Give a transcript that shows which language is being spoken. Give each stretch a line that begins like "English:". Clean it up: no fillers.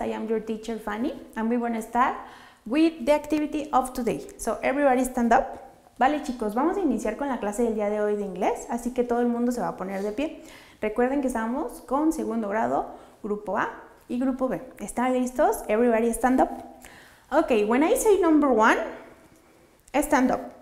English: I am your teacher, Fanny, and we're going to start with the activity of today. So, everybody stand up.
Spanish: Vale, chicos, vamos a iniciar con la clase del día de hoy de inglés, así que todo el mundo se va a poner de pie. Recuerden que estamos con segundo grado, grupo A y grupo B. ¿Están listos?
English: Everybody stand up. Ok, when I say number one, stand up.